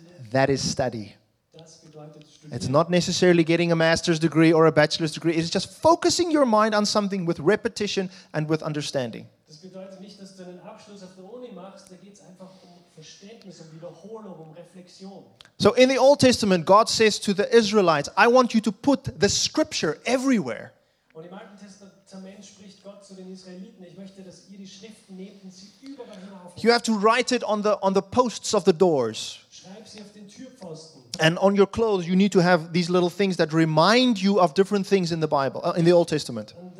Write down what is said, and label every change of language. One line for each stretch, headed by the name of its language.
English: That is study. It's not necessarily getting a master's degree or a bachelor's degree. It's just focusing your mind on something with repetition and with understanding.
German: Das bedeutet nicht, dass du einen Abschluss auf der Uni machst. Da geht's einfach um Verständnis, um Wiederholung, um Reflexion.
English: So in the Old Testament, God says to the Israelites, I want you to put the scripture everywhere.
German: Und im Alten Testament spricht Gott zu den Israeliten. Ich möchte, dass ihr die Schriften nehmt und sie überall hinauf.
English: You have to write it on the posts of the doors.
German: Schreib sie auf den Türpfosten.
English: And on your clothes, you need to have these little things that remind you of different things in the Bible, in the Old Testament.